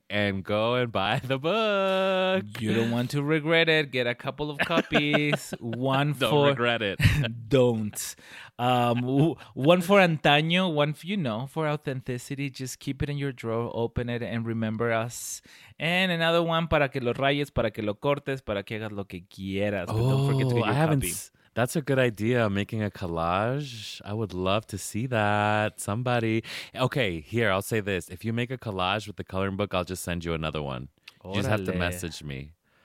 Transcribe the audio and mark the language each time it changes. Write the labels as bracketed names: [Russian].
[English] and go and buy the book. You don't want to regret it. Get a couple of copies. One don't for don't regret it. Don't. One for antaño, one for, you know, for authenticity. Just keep it in your drawer, open it, and remember us. And another one [Spanish] para que lo rayes, para que lo cortes, para que hagas lo que quieras. [English] But oh, don't forget to get your copy. That's a good idea, making a collage. I would love to see that. Somebody. Okay, here, I'll say this. If you make a collage with the coloring book, I'll just send you another one. Orale. You just have to message me.